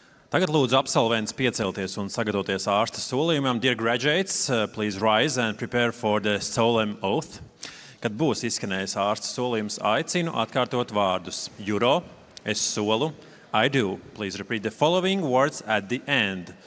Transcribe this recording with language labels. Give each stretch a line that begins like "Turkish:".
Latvian: Tagad lūdzu absolvents piecelties un sagatavoties ārsta solījumam.
English: Dear graduates, please rise and prepare for the solemn oath.
Latvian: Kad būs izskanējis ārsta solījums, aicinu atkārtot vārdus.
Latin: Juro,
Latvian: es solu,
English: I do. Please repeat the following words at the end.